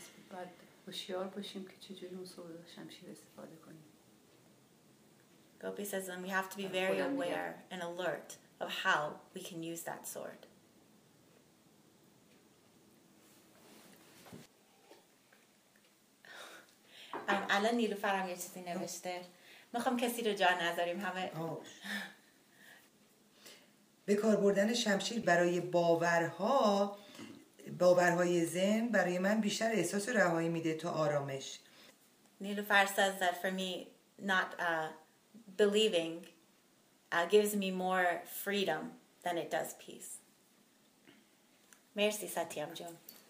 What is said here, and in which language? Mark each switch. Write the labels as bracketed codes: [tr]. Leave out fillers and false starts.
[fa] باید هوشیار باشیم که چجوری اون سورد شمشیر استفاده کنیم. [en] Gopi says that we have to be very aware and alert of how we can use that sword. [fa] الان نیلوفر هم یه چیزی نوشته. میخوام کسی رو جا نذاریم همه. به کار بردن شمشیر برای باورهای ذهن برای من بیشتر احساس رهایی میده تا آرامش. [en] نیلوفر says that for me not believing gives me more freedom than it does peace. Merci, Satyam Jung.